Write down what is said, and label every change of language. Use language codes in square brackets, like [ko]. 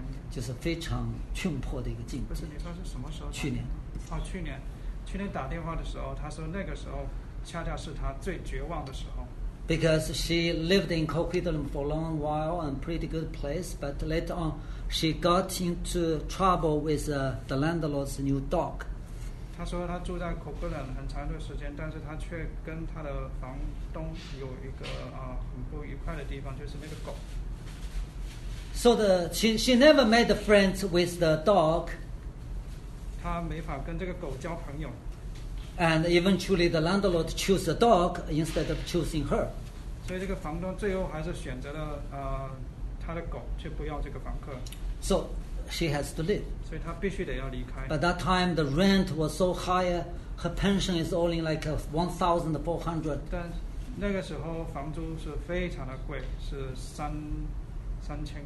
[zh] 就是非常窘迫的一个境界。不是，你说是什么时候？去年。哦，去年，去年打电话的时候，他说那个时候恰恰是他最绝望的时候。 [en] Because she lived in Coquitlam for a long while and pretty good place, but later on she got into trouble with the landlord's new dog. [zh] 他说他住在 Coquitlam 很长一段时间，但是他却跟他的房东有一个很不愉快的地方，就是那个狗。 [en] So she never made friends with the dog. [zh] 她没法跟这个狗交朋友。 [en] And eventually the landlord chose the dog instead of choosing her. [zh] 所以这个房东最后还是选择了他的狗，却不要这个房客。 [en] So she has to leave. [zh] 所以她必须得要离开。 [en] But that time the rent was so high, her pension is only like 1,400. [zh] 但那个时候房租是非常的贵，是3,000-4,000.